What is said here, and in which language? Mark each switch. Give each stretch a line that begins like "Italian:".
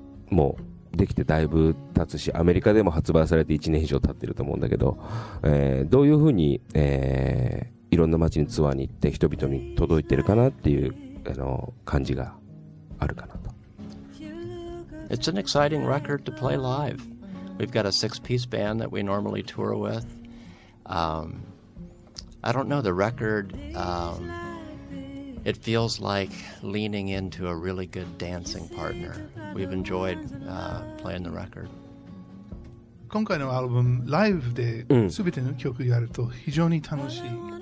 Japanese: もうできてだいぶ経つし、アメリカでも発売されて1年以上経ってると思うんだけど、どういうふうに、いろんな街にツアーに行って人々に届いてるかなっていう感じがあるかなと。
English: It's an exciting record to play live. We've got a six-piece band that we normally tour with. I don't know, the record, it feels like leaning into a really good dancing partner. We've enjoyed playing the record.
Japanese: 今回のアルバム、ライブで全ての曲やると非常に楽しいです。